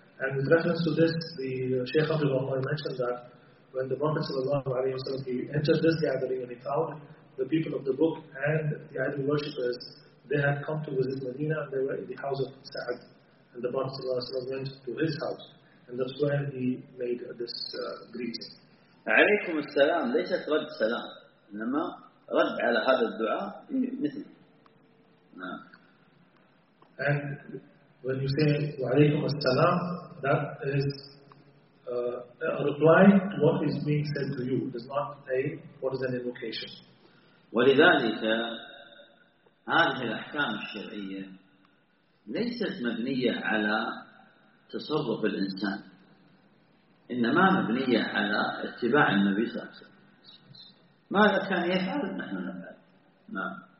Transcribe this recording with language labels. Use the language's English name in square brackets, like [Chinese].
[English] And with reference to this, the Shaykh Abdul Rahman mentioned that when the Prophet sallallahu alayhi wa sallam, he entered this gathering and he found the people of the book and the idol worshippers, they had come to visit Medina, they were in the house of Sa'ad. and the Prophet went to his house, and that's where he made this greeting. [Arabic] عليكم السلام ليست رد سلام إنما رد على هذا الدعاء مثل [English] And when you say [Arabic] وعليكم السلام [English] that is a reply to what is being said to you. It is not a what is an invocation. [Arabic] ولذلك هذه الأحكام الشرعية ليست مبنية على تصرف الإنسان إنما مبنية على اتباع النبي صلى الله عليه وسلم ماذا كان يفعل نحن نفعل نعم